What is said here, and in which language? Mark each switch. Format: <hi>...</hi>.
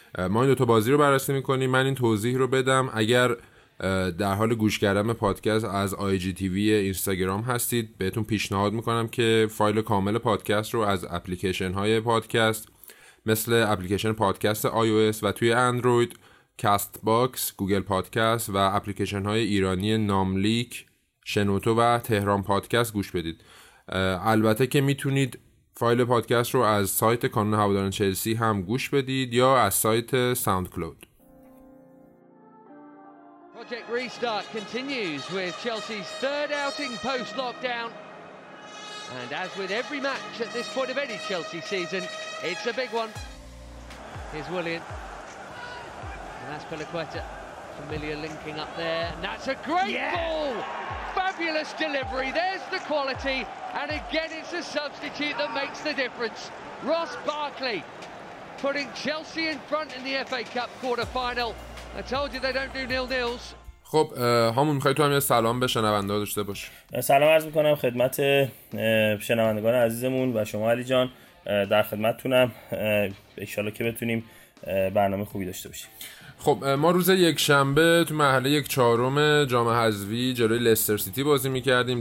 <fa>ما این دو تا بازی رو بررسی می‌کنیم. من این توضیح رو بدم، اگر در حال گوش کردن پادکست از IGTV اینستاگرام هستید، بهتون پیشنهاد میکنم که فایل کامل پادکست رو از اپلیکیشن های پادکست مثل اپلیکیشن پادکست iOS و توی اندروید کاست باکس، گوگل پادکست و اپلیکیشن های ایرانی ناملیک، شنوتو و تهران پادکست گوش بدید. البته که میتونید فایل پادکست رو از سایت کانون هواداران چلسی هم گوش بدید یا از سایت ساوند کلاود.</fa> <en>Project Restart continues with Chelsea's third outing post-lockdown. And as with every match at this point of any Chelsea season, it's a big one. Here's Willian. And that's Pellicueta. Familiar linking up there. And that's a great ball! Fabulous delivery. There's the quality. And again, it's a substitute that makes the difference. Ross Barkley putting Chelsea in front in the FA Cup quarter-final. I told you they don't do nil-nils.</en> <fa>خب هامون، میخوای تو هم یه سلام به شنونده ها داشته باش؟ سلام عرض میکنم خدمت شنوندگان عزیزمون و شما علی جان، در خدمتتونم. انشالله که بتونیم برنامه خوبی داشته باشیم. خب ما روز یک شنبه تو محله یک چهارم جام حذفی جلوی لستر سیتی بازی میکردیم.</fa>